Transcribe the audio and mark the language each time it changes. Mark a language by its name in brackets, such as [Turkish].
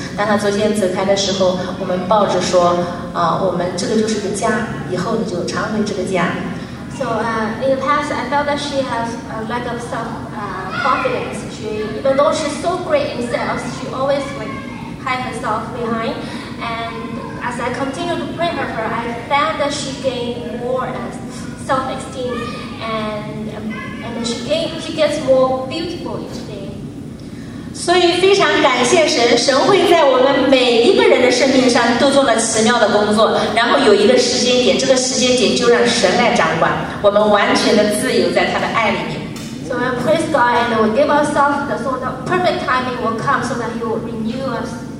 [Chinese] 当他昨天走开的时候，我们抱着说，我们这个就是个家，以后你就常回这个家。 [English] So in the past, I felt that she has a lack of self-confidence. She, even though she's so great in sales, she always hide herself behind and. As I continue to pray for her, I found that she gained more self-esteem, and she gets more beautiful each day. [Chinese] 所以非常感谢神，神会在我们每一个人的生命上都做了奇妙的工作。然后有一个时间点，这个时间点就让神来掌管，我们完全的自由在他的爱里面。 [English] So I praise God and we give ourselves the sort of perfect timing will come so that He will renew us.